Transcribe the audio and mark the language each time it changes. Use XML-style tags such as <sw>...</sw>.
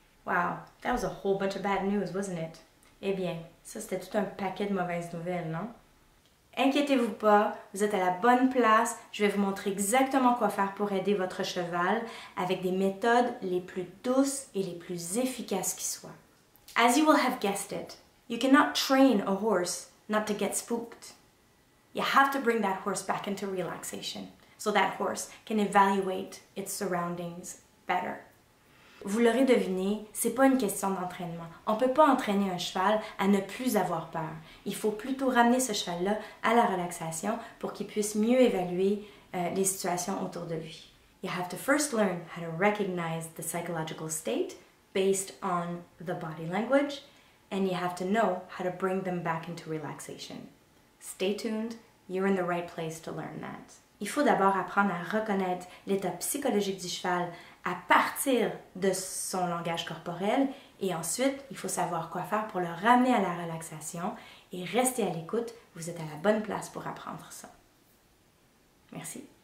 <en>Wow, that was a whole bunch of bad news, wasn't it?</en> <fr>Eh bien, ça c'était tout un paquet de mauvaises nouvelles, non? Inquiétez-vous pas, vous êtes à la bonne place. Je vais vous montrer exactement quoi faire pour aider votre cheval avec des méthodes les plus douces et les plus efficaces qui soient.</fr> <en>As you will have guessed it, you cannot train a horse not to get spooked. You have to bring that horse back into relaxation so that horse can evaluate its surroundings better.</en> <fr>Vous l'aurez deviné, c'est pas une question d'entraînement. On peut pas entraîner un cheval à ne plus avoir peur. Il faut plutôt ramener ce cheval-là à la relaxation pour qu'il puisse mieux évaluer les situations autour de lui.</fr> <en>You have to first learn how to recognize the psychological state based on the body language, and you have to know how to bring them back into relaxation. Stay tuned, you're in the right place to learn that.</en> <fr>Il faut d'abord apprendre à reconnaître l'état psychologique du cheval à partir de son langage corporel, et ensuite, il faut savoir quoi faire pour le ramener à la relaxation et rester à l'écoute. Vous êtes à la bonne place pour apprendre ça. Merci.</fr>